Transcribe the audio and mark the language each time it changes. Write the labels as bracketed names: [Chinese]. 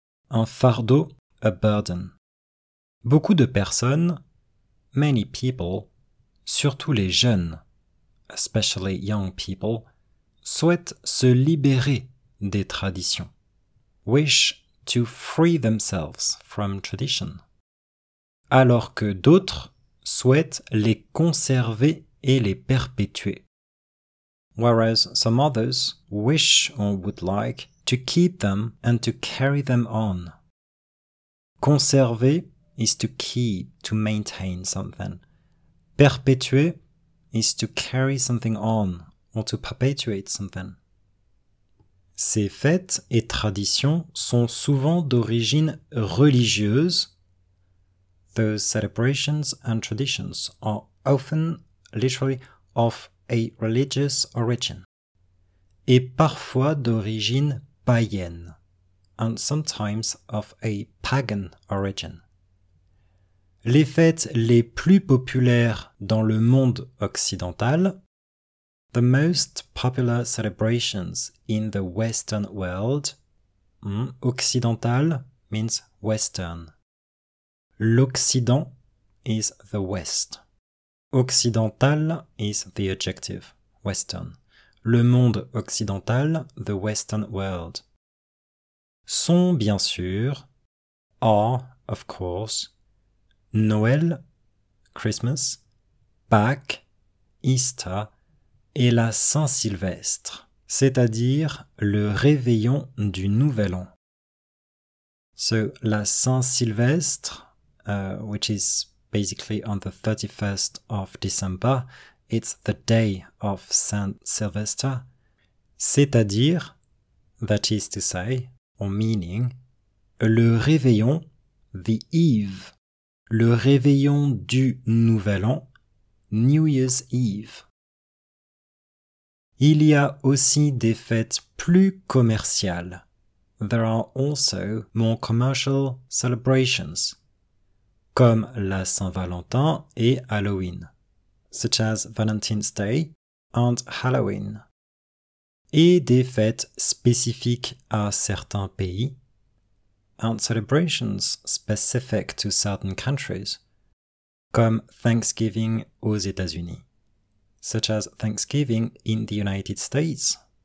[French] Un fardeau, [English] a burden. [French] Beaucoup de personnes, [English] many people, [French] surtout les jeunes, [English] especially young people, [French] souhaitent se libérer des traditions. [English] Wish to free themselves from tradition. [French] Alors que d'autres souhaitent les conserver et les perpétuer. [English] Whereas some others wish or would like to keep them and to carry them on. Conserver is to keep, to maintain something. Perpétuer is to carry something on or to perpetuate something. [French] Ces fêtes et traditions sont souvent d'origine religieuse. [English] Those celebrations and traditions are often, literally, of a religious origin. [French] Et parfois d'origine païenne. [English] And sometimes of a pagan origin. [French] Les fêtes les plus populaires dans le monde occidental. [English] The most popular celebrations in the Western world. Occidental means Western. L'Occident is the West. Occidental is the adjective, Western. [French] Le monde occidental, [English] the Western world. [French] Sont bien sûr, [English] are, of course, [French] Noël, Christmas, Pâques, Easter, et la Saint-Sylvestre, c'est-à-dire le réveillon du Nouvel An. [English] So, la Saint-Sylvestre, which is basically on the 31st of December, It's the day of Saint Sylvester. [French] C'est-à-dire, [English] that is to say, or meaning, [French] le réveillon, [English] the eve, [French] le réveillon du nouvel an, [English] New Year's Eve. [French] Il y a aussi des fêtes plus commerciales. [English] There are also more commercial celebrations, [French] comme la Saint-Valentin et Halloween, [English] such as Valentine's Day and Halloween. [French] Et des fêtes spécifiques à certains pays, [English] and celebrations specific to certain countries, [French] comme Thanksgiving aux États-Unis, [English] such as Thanksgiving in the United States.